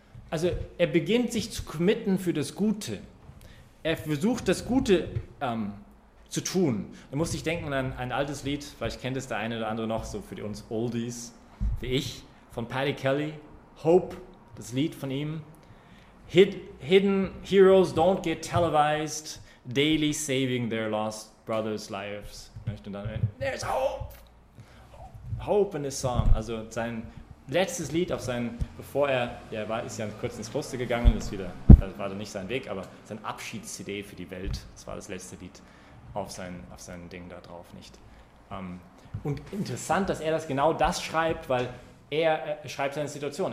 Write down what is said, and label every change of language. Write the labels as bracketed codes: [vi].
[de] Also er beginnt sich zu committen für das Gute. Er versucht, das Gute zu tun. Da musste ich denken an ein altes Lied, vielleicht kennt es der eine oder andere noch, so für uns Oldies, wie ich, von Paddy Kelly, Hope, das Lied von ihm. [en] Hidden heroes don't get televised, daily saving their lost brothers' lives. [de] Und dann, [en] there's hope! Hope in this song. [de] Also sein letztes Lied auf seinen, bevor er, ja, war, ist ja kurz ins Kloster gegangen, ist wieder, das war dann nicht sein Weg, aber sein Abschieds-CD für die Welt, das war das letzte Lied auf sein Ding da drauf, nicht? Und interessant, dass er das genau das schreibt, weil er schreibt seine Situation.